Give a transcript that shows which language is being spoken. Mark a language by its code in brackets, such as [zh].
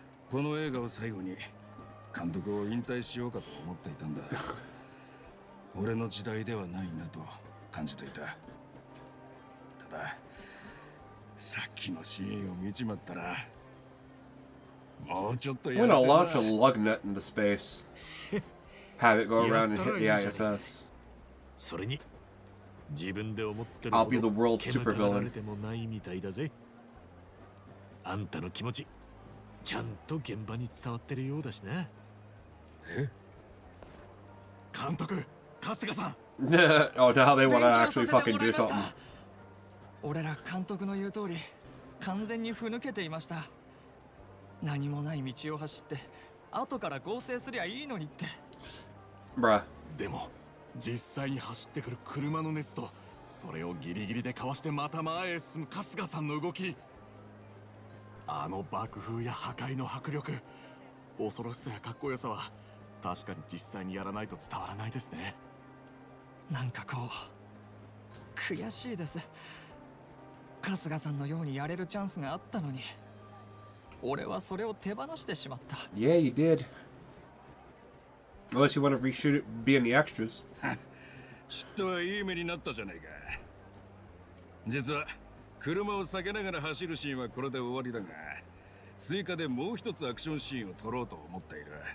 [ja] この映画を最後に監督を引退しようかと思っていたんだ。俺の時代ではないなと感じていた。ただ、さっきのシーンを見ちまったら、もうちょっとやれば。 [en] We're gonna launch a lug nut into space. Have it go around and hit the ISS. [ja] それに、自分で思ってるほど。 [en] I'll be the world's super villain. [ja] 蹴られてもないみたいだぜ。あんたの気持ち。ちゃんと現場に伝わってるようだしね。え？監督、春日さん。 [en] Oh, now they want to actually fucking do something. [ja] 俺ら監督の言う通り、完全にふぬけていました。何もない道を走って、後から合成すりゃいいのにって。 [en] Bruh. [ja] でも、実際に走ってくる車の熱と、それをギリギリでかわしてまた前へ進む春日さんの動き。あの爆風や破壊の迫力、恐ろしさやかっこよさは確かに実際にやらないと伝わらないですね。なんかこう悔しいです。春日さんのようにやれるチャンスがあったのに、俺はそれを手放してしまった。 [en] Yeah, you did. Unless you want to reshoot it being the extras. [ja] ちょっとはいい目になったじゃないか。実は車を避けながら走るシーンはこれで終わりだが、追加でもう一つアクションシーンを撮ろうと思っている。